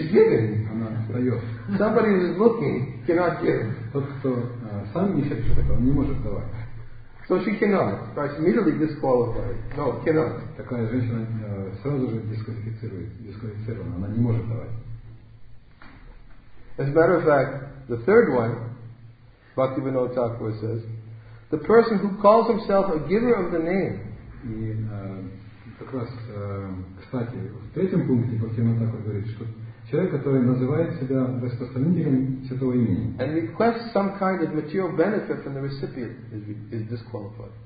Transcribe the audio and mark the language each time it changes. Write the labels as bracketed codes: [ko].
[en] She's giving. [ru] Она дает. [en] Somebody who's looking cannot give. [ru] Тот, кто сам ищет что-то, он не может давать. [en] So she cannot. She's immediately disqualified. No, cannot. [ru] Такая женщина сразу же дисквалифицирована. Она не может давать. [en] As a matter of fact, the third one, Bhaktivinoda Thakur says, the person who calls himself a giver of the name. [ru] И как раз, кстати, в третьем пункте Бхактивинода Тхакура говорит, что человек, который называет себя распространителем святого имени, [en] and requests some kind of material benefit from the recipient, is disqualified.